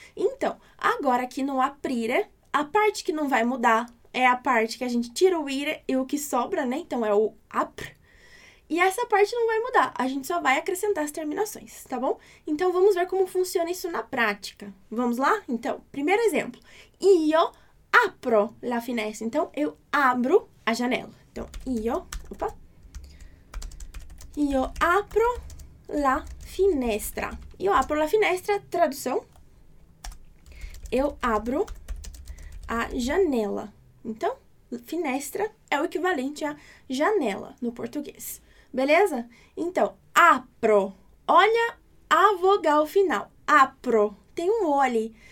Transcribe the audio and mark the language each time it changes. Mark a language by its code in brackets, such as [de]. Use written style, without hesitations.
[pt] Então, agora aqui no aprire, a parte que não vai mudar é a parte que a gente tira o ire e o que sobra, né? Então é o apr. E essa parte não vai mudar, a gente só vai acrescentar as terminações, tá bom? Então vamos ver como funciona isso na prática. Vamos lá? Então, primeiro exemplo. [it] Io apro la finestra. [pt] Então eu abro a janela. [it] Então, io apro la finestra. Io apro la finestra, [pt] tradução. Eu abro a janela. Então, finestra é o equivalente a janela no português. Beleza? Então, apro. Olha a vogal final. Apro. Tem um O ali.